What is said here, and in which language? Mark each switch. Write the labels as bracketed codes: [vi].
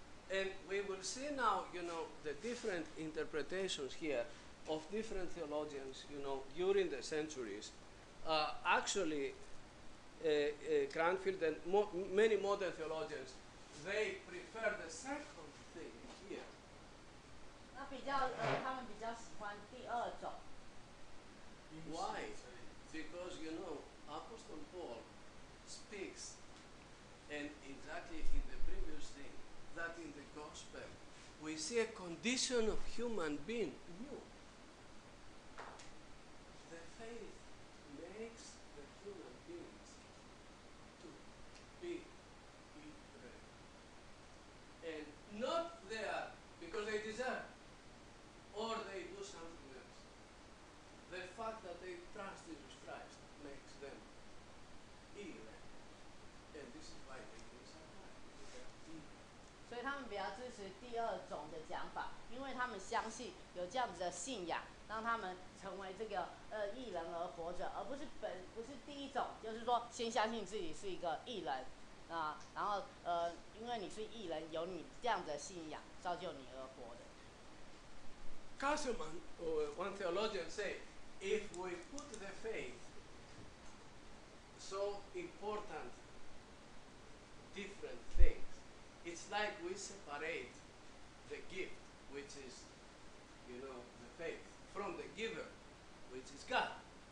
[en] And we will see now, you know, the different interpretations here of different theologians, you know, during the centuries. Cranfield and many modern theologians, they prefer the second thing here. [zh] 那比较，他们比较喜欢第二种。 [en] Why? Because, you know, Apostle Paul speaks and exactly in the previous thing that in the gospel we see a condition of human being new. The faith makes the human beings to be Israel. And not there because they deserve or they do something. The fact that they trust Jesus Christ makes them Israel. And this is why they can survive. [zh] 所以他们比较支持第二种的讲法，因为他们相信有这样子的信仰，让他们成为这个义人而活着，而不是第一种，就是说先相信自己是一个义人啊，然后因为你是义人，有你这样子的信仰造就你而活的。 [en] Kasselman, one theologian say, if we put the faith so important, different things, it's like we separate the gift, which is, you know, the faith, from the giver, which is God.